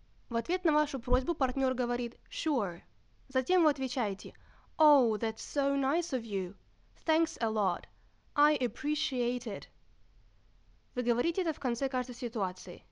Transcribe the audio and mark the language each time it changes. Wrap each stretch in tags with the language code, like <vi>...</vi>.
<ru>В ответ на вашу просьбу партнер говорит</ru> <en>«Sure».</en> <ru>Затем вы отвечаете</ru> <en>«Oh, that's so nice of you. Thanks a lot. I appreciate it».</en> <ru>Вы говорите это в конце каждой ситуации.</ru>